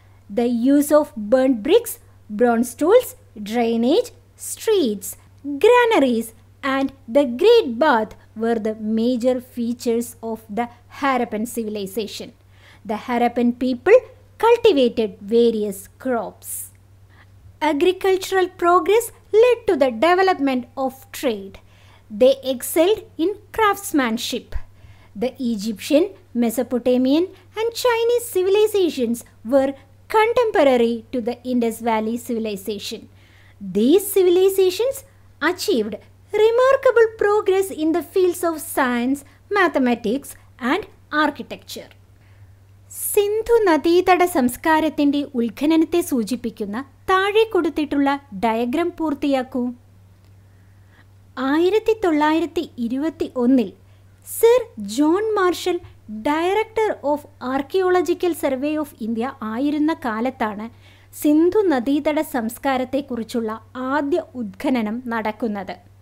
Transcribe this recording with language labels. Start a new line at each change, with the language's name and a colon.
English: The use of burn bricks, bronze tools, drainage, streets, granaries and the great bath were the major features of the Harappan civilization. The Harappan people cultivated various crops. Agricultural progress led to the development of trade. They excelled in craftsmanship. The Egyptian, Mesopotamian, and Chinese civilizations were contemporary to the Indus Valley civilization. These civilizations achieved remarkable progress in the fields of science, mathematics, and architecture.
Malayalam: Sindhu നദീതട സംസ്കാരത്തിന്റെ ഉത്ഖനനത്തെ സൂചിപ്പിക്കുന്ന താഴെ കൊടുത്തിട്ടുള്ള diagram പൂർത്തിയാക്കൂ. 1921 sir John marshal director of archaeological survey of India ആയിരുന്ന കാലത്താണ് സിന്ധു നദീതട സംസ്കാരത്തെക്കുറിച്ചുള്ള ആദ്യ ഉത്ഖനനം നടക്കുന്നത്.